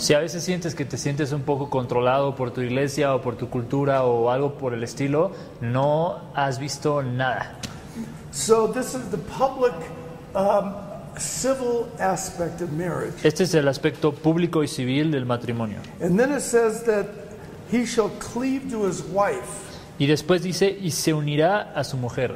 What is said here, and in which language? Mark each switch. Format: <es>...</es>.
<es>Si a veces sientes que te sientes un poco controlado por tu iglesia o por tu cultura o algo por el estilo, no has visto nada.</es> <en>So this is the public civil aspect of marriage.</en> <es>Este es el aspecto público y civil del matrimonio.</es> <en>And then it says that he shall cleave to his wife.</en> <es>Y después dice y se unirá a su mujer.</es>